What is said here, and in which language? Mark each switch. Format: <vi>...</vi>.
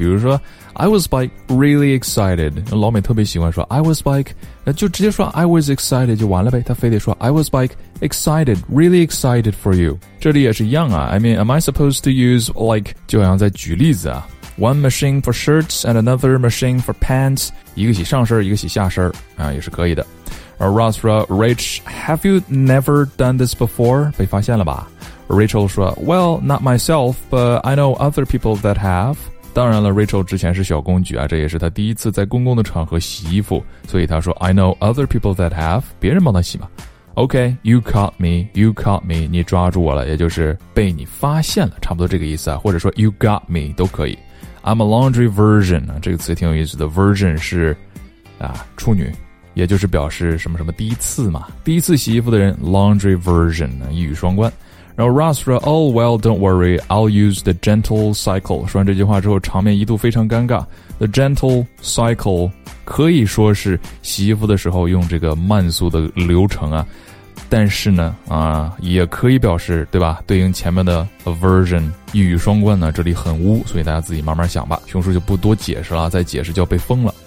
<zh>比如说</zh> <en>I was like really excited，</en> <zh>老美特别喜欢说</zh> <en>I was like，</en> <zh>就直接说</zh> <en>I was excited</en> <zh>就完了呗，他非得说</zh> <en>I was like excited， really excited for you。</en> <zh>这里也是一样啊，</zh> <en>I mean am I supposed to use like，</en> <zh>就好像在举例子啊，</zh> <en>One machine for shirts and another machine for pants.</en> <zh>一个洗上身，一个洗下身，啊，也是可以的。而 Ross 说</zh> <en>，Rach, have you never done this before?</en> <zh>被发现了吧</zh> <en>？Rachel</en> <zh>说</zh> <en>，Well, not myself, but I know other people that have.</en> <zh>当然了 ，Rachel 之前是小公举啊，这也是她第一次在公共的场合洗衣服，所以她说 ，</zh> <en>I know other people that have.</en> <zh>别人帮她洗嘛。</zh> <en>Okay, you caught me,</en> <zh>你抓住我了，也就是被你发现了，差不多这个意思啊，或者说</zh> <en>you got me</en> <zh>都可以。</zh> <en>I'm a laundry virgin,</en> <zh>这个词挺有意思的， virgin 是啊处女，也就是表示什么什么第一次嘛，第一次洗衣服的人</zh> <en>laundry virgin,</en> <zh>一语双关。然后 Ross 说</zh> <en>Oh well, don't worry, I'll use the gentle cycle.</en> <zh>说完这句话之后场面一度非常尴尬。 The gentle cycle 可以说是洗衣服的时候用这个慢速的流程啊，但是呢啊，也可以表示对吧，对应前面的 aversion 一语双关呢，这里很污，所以大家自己慢慢想吧，熊叔就不多解释了，再解释就要被封了。</zh>